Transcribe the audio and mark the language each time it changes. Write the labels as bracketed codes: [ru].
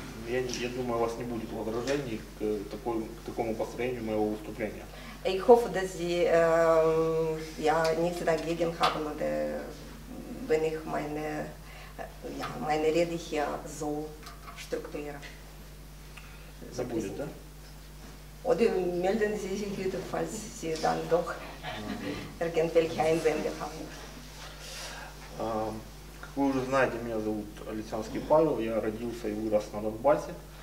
[ru] Я думаю, у вас не будет возражений к такому построению моего выступления. [de] Ich hoffe, dass Sie ja, nichts dagegen haben, oder wenn ich meine, ja, meine Rede hier so strukturiere. [ru] So будет, да? [de] Oder melden Sie sich bitte, falls Sie dann doch irgendwelche Einwände haben. [ru] Как вы уже знаете, меня зовут Лисянский Павел, я родился и вырос на Донбассе.